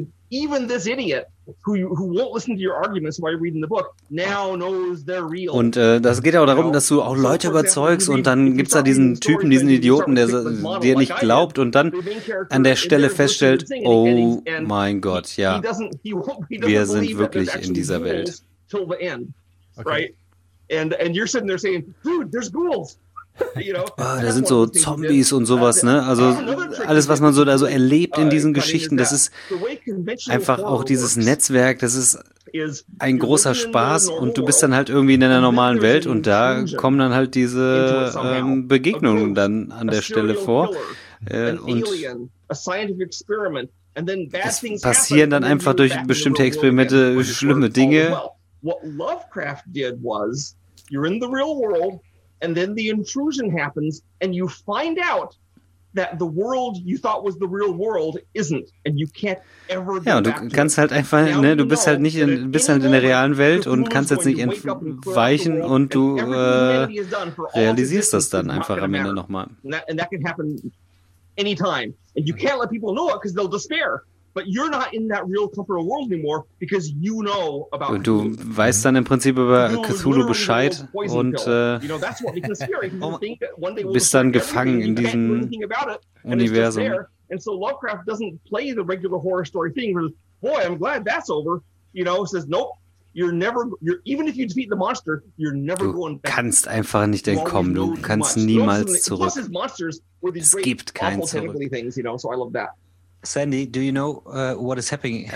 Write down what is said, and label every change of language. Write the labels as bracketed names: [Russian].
[English] Even this idiot who won't listen to your arguments while you're reading the book now knows they're real. [German] Und das geht ja auch darum, dass du auch Leute überzeugst und dann gibt's da diesen Typen, diesen Idioten, der dir nicht glaubt und dann an der Stelle feststellt, oh mein Gott, ja, wir sind wirklich in dieser Welt. Right? [English] And you're sitting there saying, dude, there's ghouls. [German] Ah, da sind so Zombies und sowas, ne? Also alles, was man so da so erlebt in diesen Geschichten, das ist einfach auch dieses Netzwerk, das ist ein großer Spaß und du bist dann halt irgendwie in einer normalen Welt und da kommen dann halt diese Begegnungen dann an der Stelle vor. Und es passieren dann einfach durch bestimmte Experimente schlimme Dinge. [English] What Lovecraft did was, you're in the real world, and then the intrusion happens and you find out that the world you thought was the real world isn't and you can't ever [German] ja du kannst halt einfach now, ne du bist halt nicht in, bist halt in der realen Welt und kannst jetzt nicht entweichen und du realisierst das dann einfach am Ende noch mal [English] and that can happen anytime and you can't let people know it because they'll despair. But you're not in that real comfortable world anymore because you know about [German] und du weißt dann im Prinzip über Cthulhu Bescheid und bist dann gefangen in diesem Universum. [English] And so Lovecraft doesn't play the regular horror story thing where, boy, I'm glad that's over, you know, says nope. [German] Du kannst einfach nicht entkommen, du kannst niemals zurück. Es gibt kein zurück. [English] Sandy, do you know what is happening?